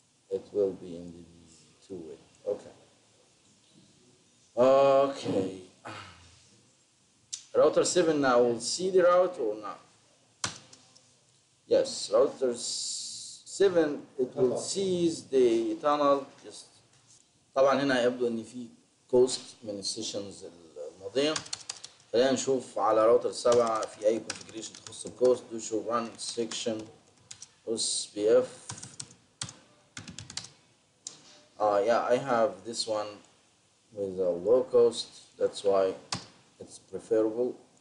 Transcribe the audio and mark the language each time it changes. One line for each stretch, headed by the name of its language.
English: It will be in the two-way. Okay. Okay. Router 7 now will see the route or not? Yes, router 7, it will seize the tunnel just.
Arabic: طبعا هنا يبدو ان في كوست من السيشنز الماضيه. خلينا نشوف على راوتر 7 في اي كونفجريشن تخص الكوست.
English: Do show run section OSPF. I have this one with a low cost, that's why it's preferable.